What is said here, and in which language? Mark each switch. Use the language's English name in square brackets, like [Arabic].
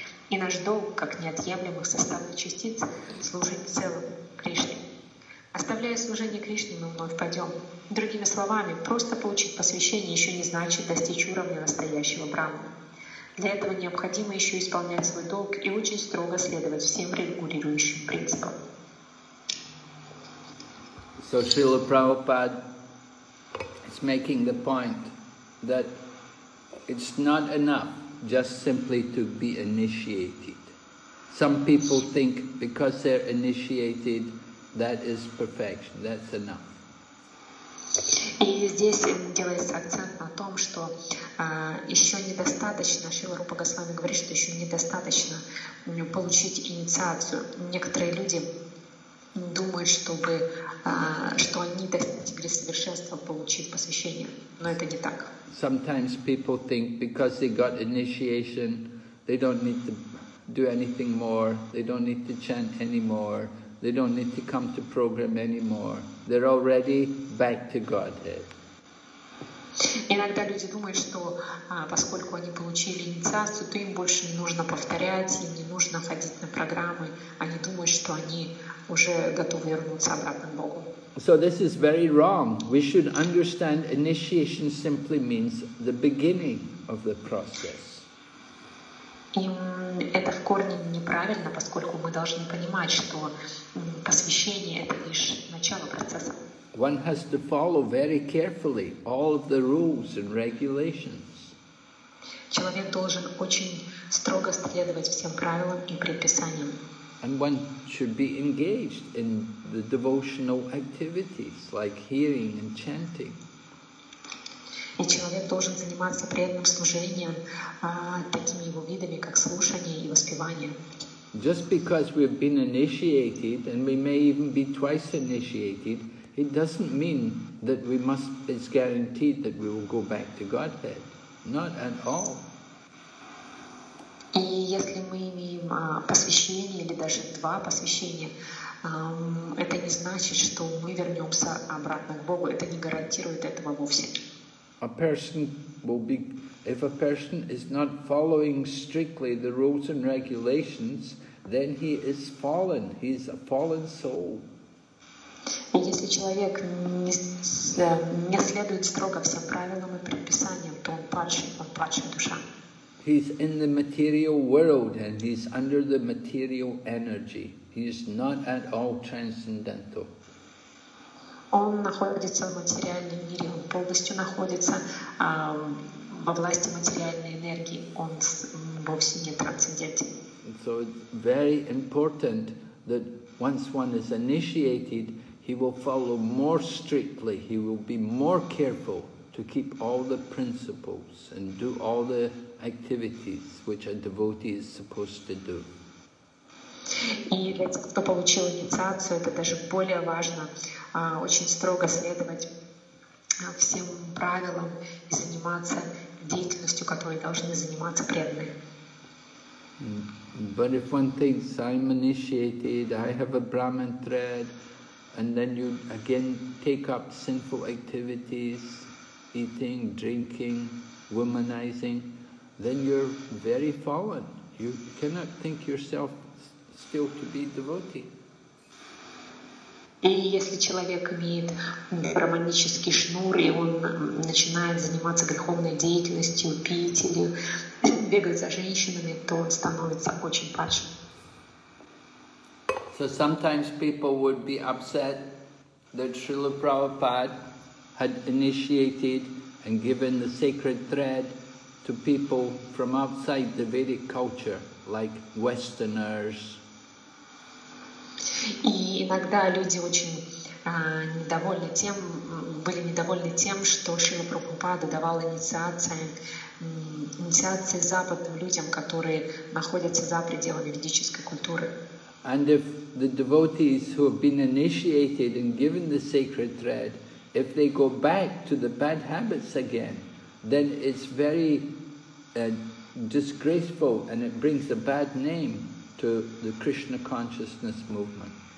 [Russian] И наш долг, как неотъемлемых составных частиц, служить целому Кришне. Оставляя служение Кришне, мы вновь падем. Другими словами, просто получить посвящение еще не значит достичь уровня настоящего брахмана. Для этого необходимо еще исполнять свой долг и очень строго следовать всем регулирующим принципам. [English] So Srila Prabhupada is making the point that it's not enough just simply to be initiated. Some people think because they're initiated, that is perfection, that's enough. [Russian] И здесь делается акцент на том, что еще недостаточно, Шрила Рупа Госвами говорит, что еще недостаточно получить инициацию. Некоторые люди думают, что они достигли совершенства, получив посвящение, но это не так. [English] Sometimes people think because they got initiation, they don't need to do anything more, they don't need to chant anymore, they don't need to come to program anymore. They're already back to Godhead. [Russian] Иногда люди думают, что поскольку они получили инициацию, то им больше не нужно повторять, им не нужно ходить на программы. Они думают, что они уже готовы вернуться обратно к Богу. [English] So this is very wrong. We should understand initiation simply means the beginning of the process. [Russian] И это в корне неправильно, поскольку мы должны понимать, что посвящение — это лишь начало процесса. [English] One has to follow very carefully all of the rules and regulations. [Russian] Человек должен очень строго следовать всем правилам и предписаниям. [English] And one should be engaged in the devotional activities, like hearing and chanting. [Russian] И человек должен заниматься преданным служением, такими его видами, как слушание и воспевание. [English] Just because we've been initiated, and we may even be twice initiated, it doesn't mean that we must, it's guaranteed that we will go back to Godhead. Not at all. [Russian] И если мы имеем посвящение, или даже два посвящения, это не значит, что мы вернемся обратно к Богу. Это не гарантирует этого вовсе. [English] A person will be, if a person is not following strictly the rules and regulations, then he is fallen. He is a fallen soul. [Russian] Если человек не следует строго всем правилам и предписаниям, то он падший душа. [English] He's in the material world and he's under the material energy. He's not at all transcendental. [Russian] Он находится в материальном мире, он полностью находится во власти материальной энергии. Он вовсе не трансцендентен. [English] So it's very important that once one is initiated, he will follow more strictly. He will be more careful to keep all the principles and do all the activities which a devotee is supposed to do. [Russian] И для тех, кто получил инициацию, это даже более важно, очень строго следовать всем правилам и заниматься деятельностью, которой должны заниматься преданные. [English] But if one thinks, I'm initiated, I have a Brahman thread, and then you again take up sinful activities, eating, drinking, womanizing, then you're very fallen. You cannot think yourself still to be devotee. [Russian] И если человек имеет брахманический шнур, и он начинает заниматься греховной деятельностью, пить или бегать за женщинами, то он становится очень падшим. [English] So sometimes people would be upset that Srila Prabhupada had initiated and given the sacred thread to people from outside the Vedic culture, like Westerners. [Russian] И иногда люди очень недовольны тем, были недовольны тем, что Шрила Прабхупада давал инициации западным людям, которые находятся за пределами ведической культуры. [English] And if the devotees who have been initiated and given the sacred thread, if they go back to the bad habits again, then it's very disgraceful and it brings a bad name to the Krishna consciousness movement.